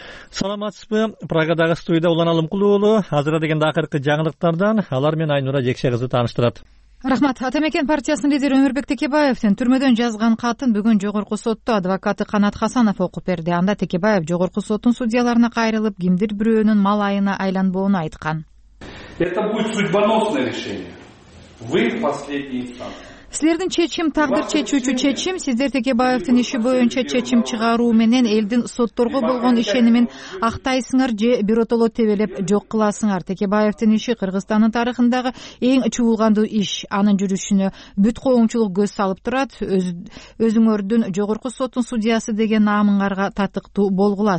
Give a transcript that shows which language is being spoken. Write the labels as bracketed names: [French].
[Kyrgyz] Саламатсызбы, Прагадагы студияда Улан Алымкулов уулу азыра дегенде акыркы жаңылыктардан алар менен Айнура Жекше кызы тааныштырат. Рахмат. Атамекен партиясынын лидери Өмүрбек Текебаевдин түрмөдөн жазган катын бүгүн жогорку сотто адвокаты Канат Хасанов окуп берди. Анда Текебаев жогорку соттун судьяларына кайрылып, кимдир бирөөнүн мал айына айланбоону айткан. [Russian] Это будет судьбоносное решение. Вы в последней инстанции. [Kyrgyz] Силердин чечим тагдыр чечүүчү чечим, сиздер Текебаевдин иши боюнча чечим чыгаруу менен элдин сотторго болгон ишенимин актайсыңар же биротоло тебелеп жок кыласыңар. Текебаевдин иши Кыргызстандын тарыхындагы эң чуулгандуу иш. Анын жүрүшүнө бүт коомчулук көз салып турат. Өзүңөрдүн жогорку соттун судьясы деген наамыңарга татыктуу болгула.